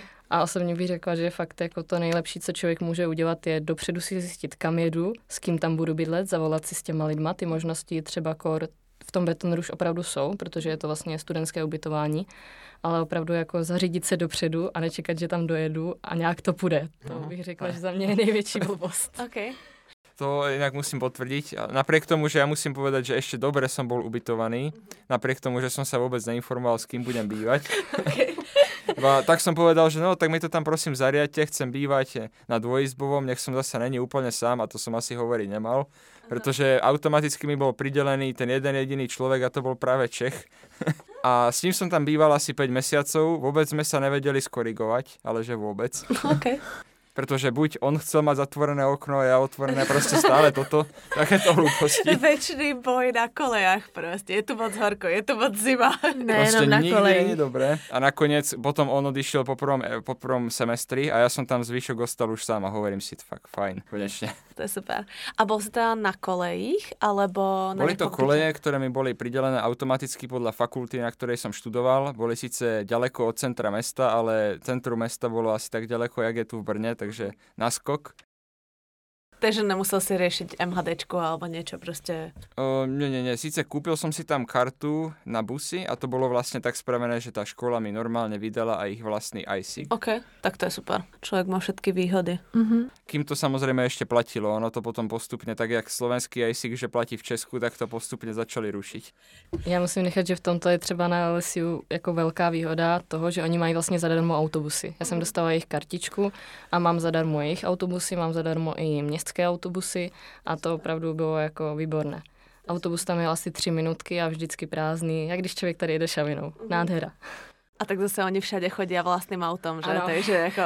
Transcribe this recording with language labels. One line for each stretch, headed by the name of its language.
Czech: A osobně bych řekla, že fakt jako to nejlepší, co člověk může udělat, je dopředu si zjistit, kam jedu, s kým tam budu bydlet, zavolat si s těma lidma. Ty možnosti třeba v tom Betonru už opravdu jsou, protože je to vlastně studentské ubytování. Ale opravdu jako zařídit se dopředu a nečekat, že tam dojedu a nějak to půjde. To bych řekla, že za mě je největší blbost. Okay.
Slovak: To inak musím potvrdiť. Napriek tomu, že ja musím povedať, že ešte dobre som bol ubytovaný, napriek tomu, že som sa vôbec neinformoval, s kým budem bývať. Okay. Tak som povedal, že no, tak mi to tam prosím zariadte, chcem bývať na dvojizbovom, nech som zase není úplne sám, a to som asi hovoriť nemal, pretože automaticky mi bol pridelený ten jeden jediný človek a to bol práve Čech. A s ním som tam býval asi 5 mesiacov, vôbec sme sa nevedeli skorigovať, ale že vôbec. OK. Pretože buď on chcel mať zatvorené okno, ja otvorené, proste stále toto, takéto hlúposti. Večný boj na kolejach proste, je tu moc horko, je tu moc zima. Ne, proste no, nikdy nie je dobré. A nakoniec potom on odišiel po prvom semestri a ja som tam zvyšok ostal už sám a hovorím si, fakt fajn, konečne. To je super. A bol si teda na kolejích, alebo na boli to koleje, ktoré mi boli pridelené automaticky podľa fakulty, na ktorej som študoval. Boli síce ďaleko od centra mesta, ale centrum mesta bolo asi tak ďaleko, jak je tu v Brne, takže naskok. Takže nemusel si riešiť MHDčku alebo niečo proste? Nie. Síce kúpil som si tam kartu na busy a to bolo vlastne tak spravené, že tá škola mi normálne vydala aj ich vlastný IC. OK, tak to je super. Človek má všetky výhody. Uh-huh. Kým to samozrejme ešte platilo, ono to potom postupne, tak jak slovenský IC, že platí v Česku, tak to postupne začali rušiť. Ja musím nechať, že v tomto je třeba na LSU ako veľká výhoda toho, že oni majú vlastne zadarmo autobusy. Ja som dostala ich kartičku a mám zadarmo ich autobusy, mám zadarmo i
Czech: městské autobusy a to opravdu bylo jako výborné. Autobus tam jel asi 3 minutky a vždycky prázdný, jak když člověk tady jede šavinou. Nádhera. A tak zase oni všade chodí a vlastným autom, že? Ano. Takže jako...